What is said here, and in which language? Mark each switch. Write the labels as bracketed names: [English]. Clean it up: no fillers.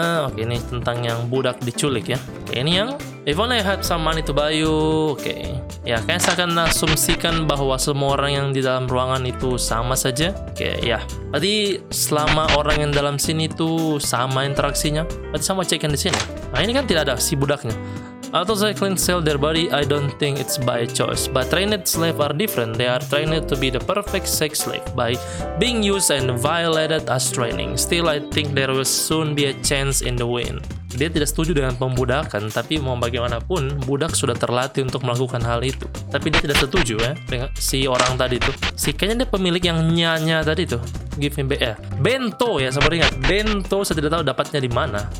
[Indonesian] Oke, ini tentang yang budak diculik ya. Oke, ini yang [English] if only I had some money to buy you. [Indonesian] Oke. Ya, kayaknya saya akan asumsikan bahwa semua orang yang di dalam ruangan itu sama saja. Oke, ya. Berarti selama orang yang dalam sini itu sama interaksinya. Berarti sama cekin di sini. Nah, ini kan tidak ada si budaknya. [English] Auto cycling sell their body, I don't think it's by choice. But trained slaves are different. They are trained to be the perfect sex slave by being used and violated as training. Still, I think there will soon be a chance in the wind. [Indonesian] Dia tidak setuju dengan pembudakan, tapi mau bagaimanapun, budak sudah terlatih untuk melakukan hal itu. Tapi dia tidak setuju ya, dengan si orang tadi tuh. Si kayaknya dia pemilik yang nyanya tadi tuh. [English] Give him bento [Indonesian] ya, saya ingat. Bento, saya tidak tahu dapatnya di mana.